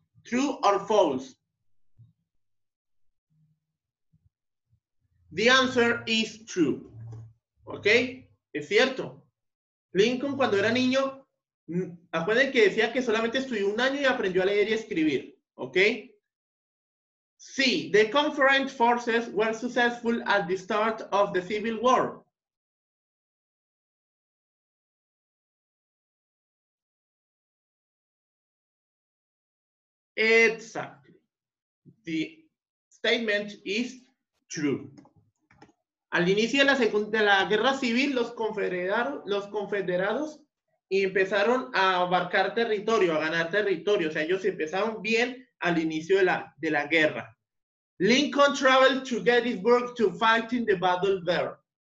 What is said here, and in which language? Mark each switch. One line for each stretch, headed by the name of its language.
English: True or false? The answer is true. ¿Ok?
Spanish: Es cierto. Lincoln, cuando era niño, acuérdense que decía que solamente estudió un año y aprendió a leer y escribir. ¿Ok?
English: Sí, the Confederate forces were successful at the start of the Civil War. Exactly. The statement is true.
Spanish: Al inicio de la Guerra Civil, los confederados empezaron a abarcar territorio, a ganar territorio. O sea, ellos empezaron bien al inicio de la guerra.
English: Lincoln traveled to Gettysburg to fight in the battle there.